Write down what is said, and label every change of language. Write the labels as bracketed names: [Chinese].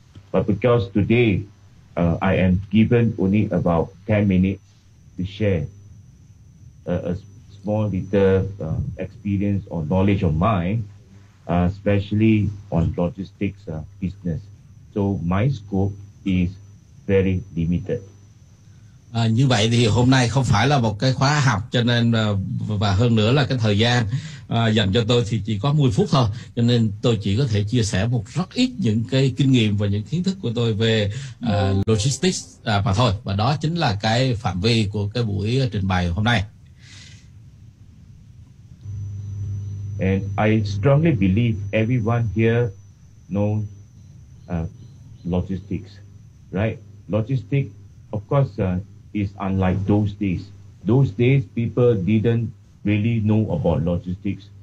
[English] But because today, I am given only about 10 minutes to share a small little experience or knowledge of mine, especially on logistics business. So my scope is very limited. [Vietnamese] Như vậy thì hôm nay không phải là một cái khóa học, cho nên và hơn nữa là cái thời gian dành cho tôi thì chỉ có 10 phút thôi, cho nên tôi chỉ có thể chia sẻ một rất ít những cái kinh nghiệm và những kiến thức của tôi về logistics mà thôi. Và đó chính là cái phạm vi của cái buổi trình bày hôm nay. [English] And I strongly believe everyone here knows logistics, right? Logistics, of course, is unlike those days. Those days, people didn't really know about logistics.